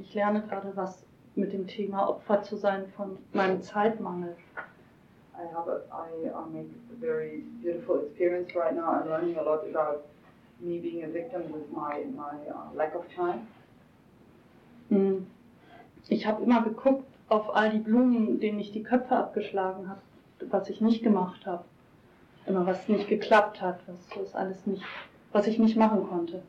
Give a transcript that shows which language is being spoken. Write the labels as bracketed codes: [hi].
[de] Ich lerne gerade was mit dem Thema Opfer zu sein von meinem Zeitmangel. [en] I make a very beautiful experience right now. I'm learning a lot about me being a victim with my lack of time. [de] Ich habe immer geguckt auf all die Blumen, denen ich die Köpfe abgeschlagen habe, was ich nicht gemacht habe, immer was nicht geklappt hat, was alles nicht, was ich nicht machen konnte.